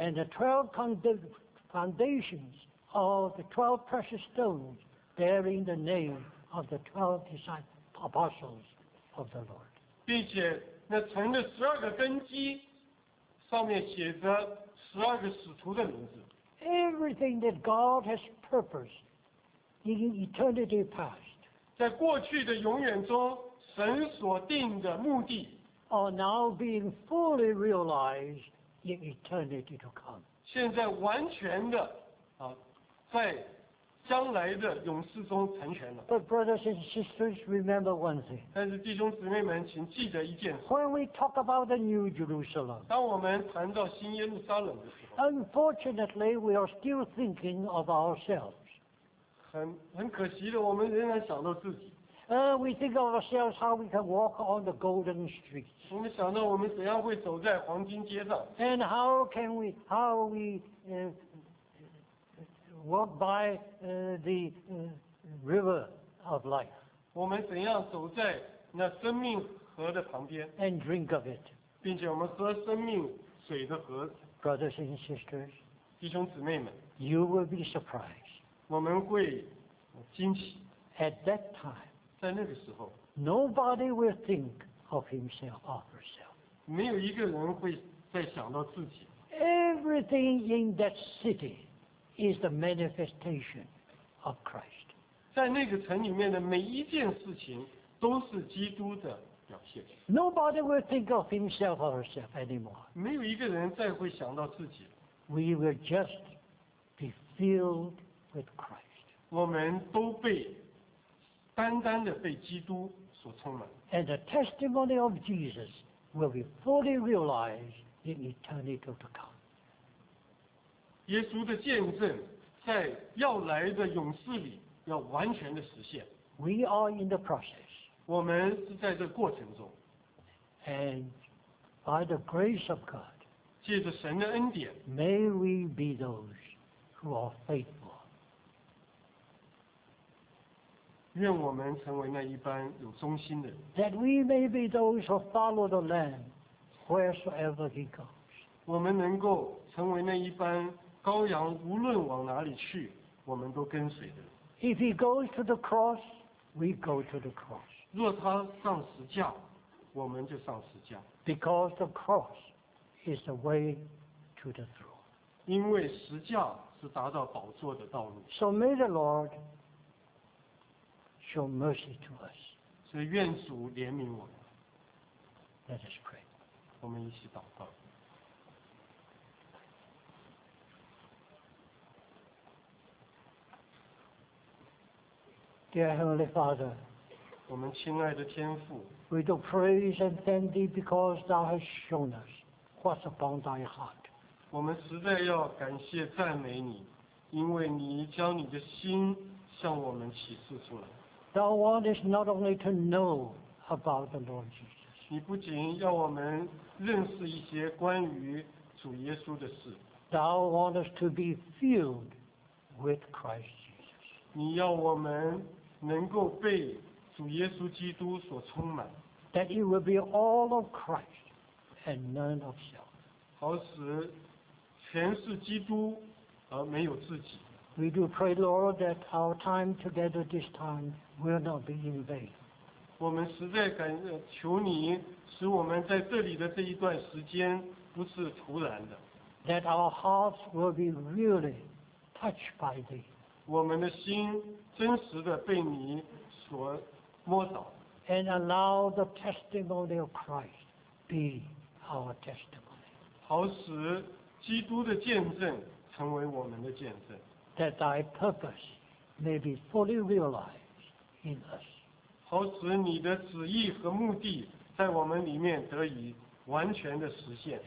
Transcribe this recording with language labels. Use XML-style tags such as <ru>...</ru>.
<en>And the 12 foundations of the 12 precious stones bearing the name。 Of the 12 apostles of the Lord，</en> <zh>并且那城的十二个根基上面写着十二个使徒的名字。</zh> <en>Everything that God has purposed in eternity past，</en> <zh>在过去的永远中，神所定的目的</zh> <en>，are now being fully realized in eternity to come。</en> <zh>现在完全的在。将来的勇士中成全了。</zh> <en>But brothers and sisters, remember one thing.</en> <zh>但是弟兄姊妹们，请记得一件事。</zh> <en>When we talk about the New Jerusalem，</en> <zh>当我们谈到新耶路撒冷的时候</zh> <en>，Unfortunately, we are still thinking of ourselves.</en> <zh>很可惜的，我们仍然想到自己。</zh> <en>We think of ourselves how we can walk on the golden streets.</en> <zh>我们想到我们怎样会走在黄金街上。</zh> <en>And how can we? How we? Walk by the river of life.</en> <zh>我们怎样走在那生命河的旁边</zh> <en>？And drink of it.</en> <zh>并且我们喝生命水的河。</zh> <en>Brothers and sisters,</en> <zh>弟兄姊妹们</zh> <en>，You will be surprised.</en> <zh>我们会惊喜。</zh> <en>At that time,</en> <zh>在那个时候</zh> <en>，Nobody will think of himself or herself.</en> <zh>没有一个人会再想到自己。</zh> <en>Everything in that city. Is the manifestation of Christ.</en> <zh>在那个城里面的每一件事情都是基督的表现。</zh> <en>Nobody will think of himself or herself anymore.</en> <zh>没有一个人再会想到自己。</zh> <en>We will just be filled with Christ.</en> <zh>我们都被单单的被基督所充满。</zh> <en>And the testimony of Jesus will be fully realized in eternity to come.</en> <zh>耶稣的见证在要来的勇士里要完全的实现。</zh> <en>We are in the process.</en> <zh>我们是在这过程中。</zh> <en>And by the grace of God,</en> <zh>借着神的恩典,</zh> <en>may we be those who are faithful.</en> <zh>愿我们成为那一般有忠心的人,</zh> <en>that we may be those who follow the Lamb wheresoever he goes.</en> <zh>我们能够成为那一般羔羊无论往哪里去我们都跟随的人。</zh> <en>If he goes to the cross, we go to the cross.</en> <zh>若他上十字架，我们就上十字架。</zh> <en>Because the cross is the way to the throne.</en> <zh>因为十字架是达到宝座的道路。</zh> <en>So may the Lord show mercy to us.</en> <zh>所以愿主怜悯我们。</zh> <en>Let us pray.</en> <zh>我们一起祷告。</zh> <en>Dear Heavenly Father,</en> <zh>我们亲爱的天父,</zh> <en>we do praise and thank thee because thou hast shown us what's upon thy heart.</en> <zh>我们实在要感谢赞美你, 因为你将你的心向我们启示出来。</zh> <en>Thou want us not only to know about the Lord Jesus.</en> <zh>你不仅要我们认识一些关于主耶稣的事。</zh> <en>Thou want us to be filled with Christ.</en> <zh>你要我们能够被主耶稣基督所充满</zh> <en>that it will be all of Christ and none of self</en> <zh>好使全是基督而没有自己</zh> <en>we do pray Lord that our time together this time will not be in vain</en> <zh>我们实在感求你使我们在这里的这一段时间不是徒然的</zh> <en>that our hearts will be really touched by thee</en> <zh>我们的心真实的被你所摸倒</zh> <en>and allow the testimony of Christ be our testimony</en> <zh>好使基督的见证成为我们的见证</zh> <en>that thy purpose may be fully realized in us</en> <zh>好使你的旨意和目的在我们里面得以完全的实现</zh>